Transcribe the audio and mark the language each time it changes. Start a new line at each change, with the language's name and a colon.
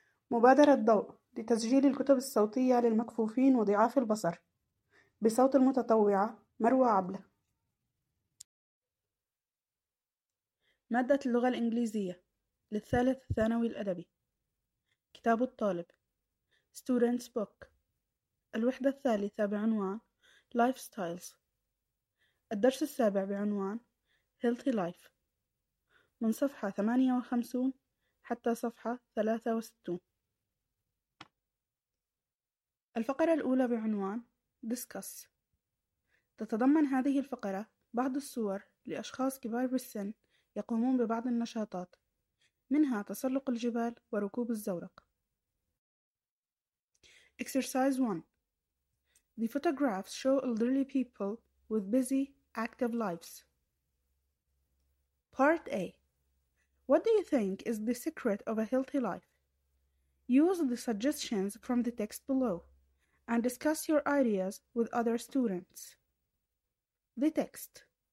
Arabic: مبادرة ضوء لتسجيل الكتب الصوتية للمكفوفين وضعاف البصر بصوت المتطوعة مروة عبلة. مادة اللغة الإنجليزية للثالث ثانوي الأدبي. كتاب الطالب
English: Students Book.
Arabic: الوحدة الثالثة بعنوان Lifestyles. الدرس السابع بعنوان
English: Healthy Life.
Arabic: من صفحة 58 حتى صفحة 63. الفقرة الأولى بعنوان Discuss. تتضمن هذه الفقرة بعض الصور لأشخاص كبار بالسن يقومون ببعض النشاطات، منها تسلق الجبال وركوب الزورق.
English: Exercise 1. The photographs show elderly people with busy, active lives. Part A. What do you think is the secret of a healthy life? Use the suggestions from the text below and discuss your ideas with other students. The text.